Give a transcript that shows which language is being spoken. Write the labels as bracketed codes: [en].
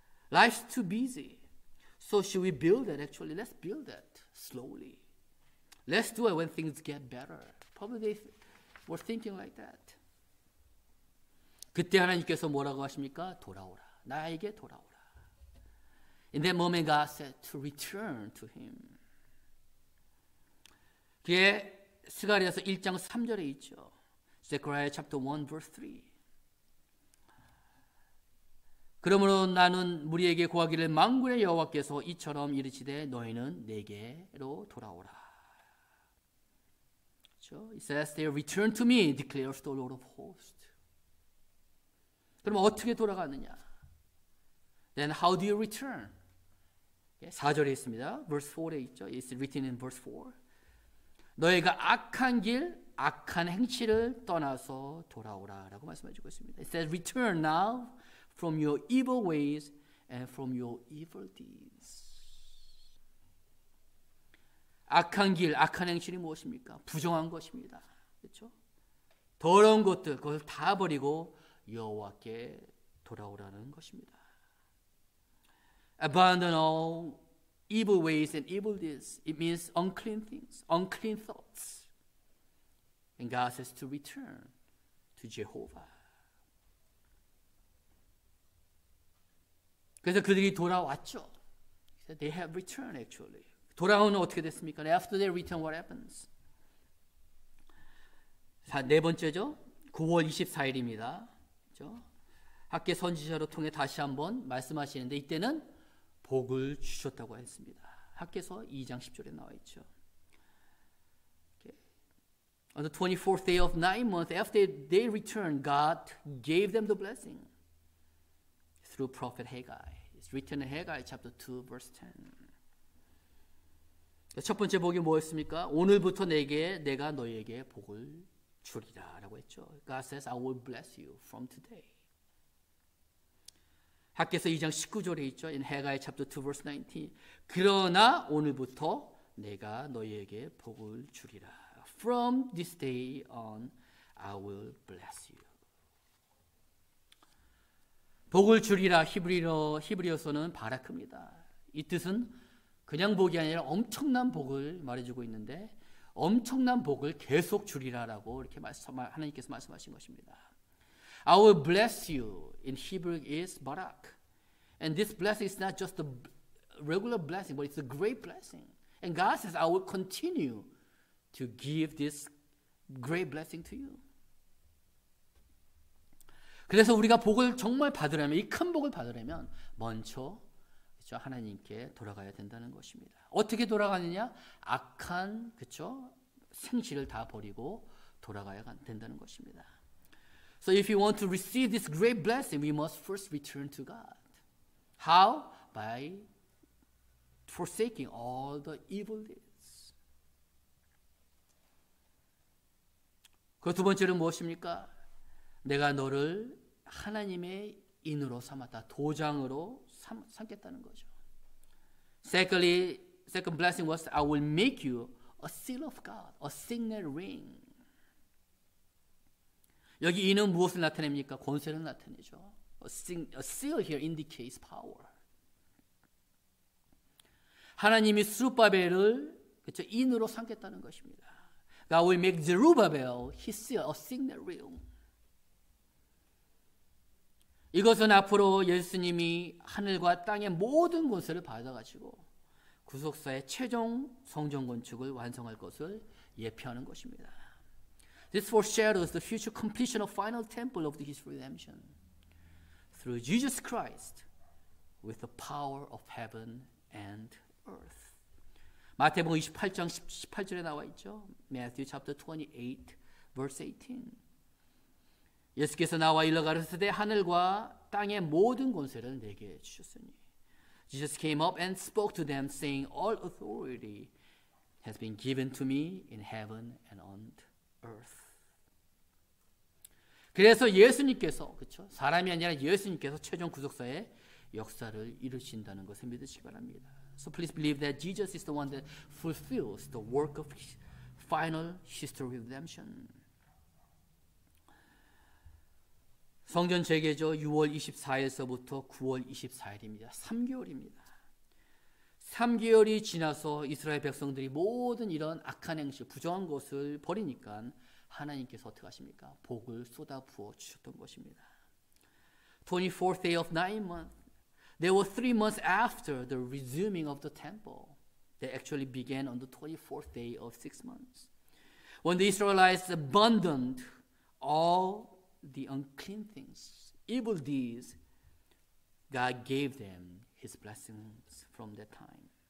[en] Life's too busy. So should we build it actually? Let's build it slowly. Let's do it when things get better. Probably they were thinking like that. [ko] 그때 하나님께서 뭐라고 하십니까? 돌아오라. 나에게 돌아오라. [en] In that moment God said to return to him. [ko] 그게 스가랴서 1장 3절에 있죠. [en] Zechariah chapter 1 verse 3. [ko] 그러므로 나는 무리에게 고하기를 만군의 여호와께서 이처럼 이르시되 너희는 내게로 돌아오라. 그렇죠? [en] It says they return to me declares the Lord of hosts. [ko] 그럼 어떻게 돌아가느냐? [en] Then how do you return? [ko] 4절에 있습니다. [en] Verse 4에 있죠. It's written in verse 4. [ko] 너희가 악한 길, 악한 행실을 떠나서 돌아오라 라고 말씀해주고 있습니다. [en] It says, return now from your evil ways and from your evil deeds. [ko] 악한 길, 악한 행실이 무엇입니까? 부정한 것입니다. 그렇죠? 더러운 것들, 그걸 다 버리고 여호와께 돌아오라는 것입니다. [en] Abandon all evil ways and evil deeds. It means unclean things, unclean thoughts. And God says to return to Jehovah. [ko] 그래서 그들이 돌아왔죠. [en] They have returned actually. [ko] 돌아오는 어떻게 됐습니까? [en] After they return, what happens? [ko] 자, 네 번째죠. 9월 24일입니다. 그렇죠? 학계 선지자로 통해 다시 한번 말씀하시는데 이때는 복을 주셨다고 했습니다. 학계서 2장 10절에 나와 있죠. [en] On the 24th day of 9 months after they returned, God gave them the blessing through prophet Haggai. It's written in Haggai chapter 2 verse 10. [ko] 첫 번째 복이 뭐였습니까? 오늘부터 내가 너에게 복을 주리라라고 했죠. [en] God says I will bless you from today. [ko] 학계서 2장 19절에 있죠. [en] In Haggai chapter 2 verse 19. [ko] 그러나 오늘부터 내가 너희에게 복을 주리라. [en] From this day on, I will bless you. [ko] 복을 주리라. 히브리어서는 바라크입니다. 이 뜻은 그냥 복이 아니라 엄청난 복을 말해주고 있는데 엄청난 복을 계속 주리라라고 이렇게 하나님께서 말씀하신 것입니다. [en] I will bless you in Hebrew is barak. And this blessing is not just a regular blessing, but it's a great blessing. And God says, I will continue to give this great blessing to you. [ko] 그래서 우리가 복을 정말 받으려면, 이 큰 복을 받으려면 먼저 그렇죠? 하나님께 돌아가야 된다는 것입니다. 어떻게 돌아가느냐? 악한 그렇죠? 생실을 다 버리고 돌아가야 된다는 것입니다. [en] So if you want to receive this great blessing, we must first return to God. How? By forsaking all the evil deeds. [ko] 그 두 번째는 무엇입니까? 내가 너를 하나님의 인으로 삼았다. 도장으로 삼겠다는 거죠. [en] Secondly, second blessing was I will make you a seal of God, a signet ring. [ko] 여기 이는 무엇을 나타냅니까? 권세를 나타내죠. [en] A seal here indicates power. [ko] 하나님이 스룹바벨을 그렇죠? 인으로 삼겠다는 것입니다. [en] God will make Zerubbabel his seal, a signet ring. [ko] 이것은 앞으로 예수님이 하늘과 땅의 모든 권세를 받아가지고 구속사의 최종 성전 건축을 완성할 것을 예표하는 것입니다. [en] This foreshadows the future completion of final temple of his redemption through Jesus Christ with the power of heaven and earth. [ko] 마태복음 28장 18절에 나와 있죠. [en] Matthew chapter 28 verse 18. [ko] 예수께서 나와 일러 가르치되 하늘과 땅의 모든 권세를 내게 주셨으니 [en] Jesus came up and spoke to them saying all authority has been given to me in heaven and on earth. [ko] 그래서 예수님께서 그렇죠? 사람이 아니라 예수님께서 최종 구속사의 역사를 이루신다는 것을 믿으시기 바랍니다. [en] So please believe that Jesus is the one that fulfills the work of his final history redemption. [ko] 성전 재개죠. 6월 24일서부터 9월 24일입니다. 3개월입니다. 3개월이 지나서 이스라엘 백성들이 모든 이런 악한 행실, 부정한 것을 버리니까 하나님께서 어떻게 하십니까? 복을 쏟아부어 주셨던 것입니다. [en] 24th day of 9th month. There were 3 months after the resuming of the temple. They actually began on the 24th day of 6 months. When the Israelites abandoned all the unclean things, evil deeds, God gave them his blessings from that time.